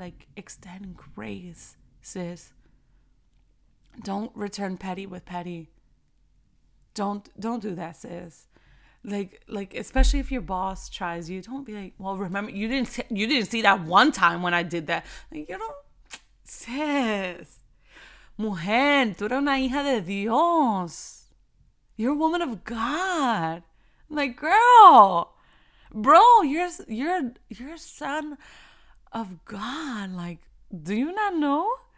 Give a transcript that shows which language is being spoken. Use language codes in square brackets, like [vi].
[en] Like, extend grace, sis. Don't return petty with petty. Don't do that, sis. Like especially if your boss tries you, don't be like, well, remember you didn't see that one time when I did that. Like, you know, sis, [es] mujer, tú eres una hija de Dios. [en] You're a woman of God. I'm like, girl, bro, you're a son of God. Like, do you not know?